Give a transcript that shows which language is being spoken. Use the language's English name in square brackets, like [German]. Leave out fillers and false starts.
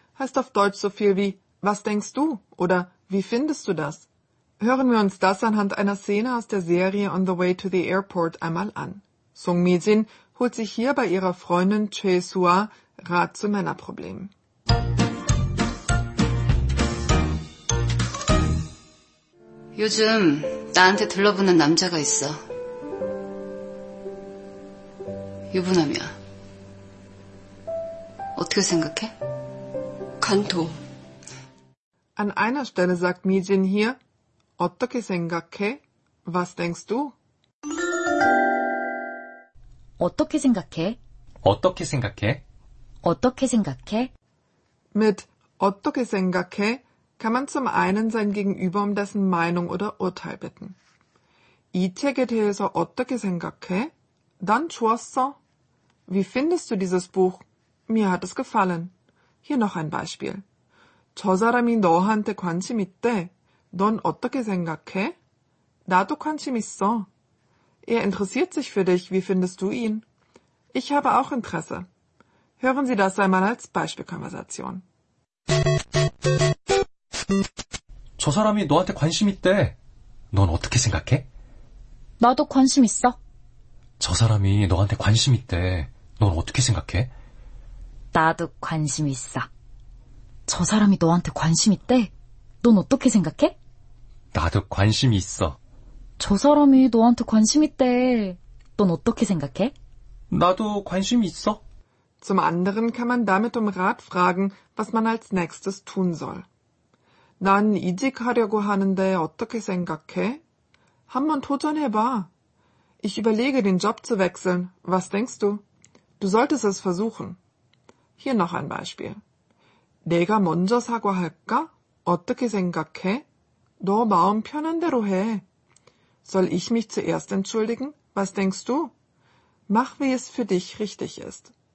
[German] Heißt auf Deutsch so viel wie Was denkst du? Oder Wie findest du das? Hören wir uns das anhand einer Szene aus der Serie On the Way to the Airport einmal an. Sung Mi-jin holt sich hier bei ihrer Freundin Choi Sua Rat zu Männerproblemen. [Korean] Yojum 나한테 둘러보는 남자가 있어. 유부남이야. 어떻게 생각해? 간토. [German] An einer Stelle sagt Mi-jin hier, [Korean] 어떻게 생각해? [German] Was denkst du? [Korean] 어떻게 생각해? 어떻게 생각해? 어떻게 생각해? [German] Mit [Korean] 어떻게 생각해 [German] kann man zum einen sein Gegenüber um dessen Meinung oder Urteil bitten. [Korean] 이 책에 대해서 어떻게 생각해? 난 좋았어. [German] Wie findest du dieses Buch? Mir hat es gefallen. Hier noch ein Beispiel. [Korean] 저 사람이 너한테 관심 있대. 넌 어떻게 생각해? 나도 관심 있어. [German] Er interessiert sich für dich. Wie findest du ihn? Ich habe auch Interesse. Hören Sie das einmal als Beispielkonversation. [Korean] 저 사람이 너한테 관심 있대. 넌 어떻게 생각해? 나도 관심 있어. 저 사람이 너한테 관심 있대. 넌 어떻게 생각해? 나도 관심 있어. 저 사람이 너한테 관심 있대. 넌 어떻게 생각해? 나도 관심이 있어. 저 사람이 너한테 관심 있대. 넌 어떻게 생각해? 나도 관심이 있어. [German] Zum anderen kann man damit um Rat fragen, was man als nächstes tun soll. [Korean] 난 이직하려고 하는데 어떻게 생각해? 한번 도전해봐. [German] Ich überlege, den Job zu wechseln. Was denkst du? Du solltest es versuchen. Hier noch ein Beispiel. [Korean] 내가 먼저 사과할까? 어떻게 생각해? 너 마음 편한 대로 해. [German] Soll ich mich zuerst entschuldigen? Was denkst du? Mach, wie es für dich richtig ist.